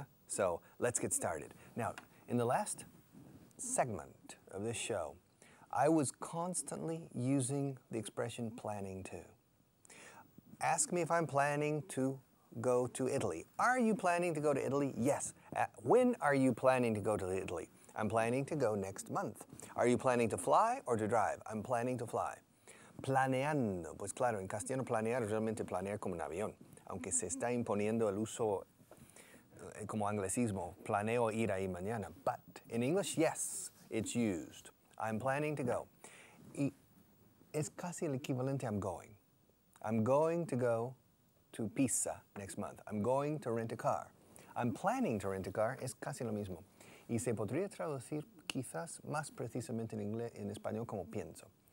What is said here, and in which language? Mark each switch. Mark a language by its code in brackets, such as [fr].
[en] So let's get started. Now, in the last segment of this show, I was constantly using the expression planning to. Ask me if I'm planning to go to Italy. Are you planning to go to Italy? Yes. When are you planning to go to Italy? I'm planning to go next month. Are you planning to fly or to drive? I'm planning to fly. Planeando. [es] Pues claro, en castellano planear realmente planear como un avión. Aunque se está imponiendo el uso como anglicismo. Planeo ir ahí mañana. [en] But in English, yes, it's used. I'm planning to go. [es] Y es casi el equivalente a [en] I'm going. I'm going to go to Pisa next month. I'm going to rent a car. I'm planning to rent a car. [es] Es casi lo mismo. Y se podría traducir quizás más precisamente en inglés, en español, como pienso.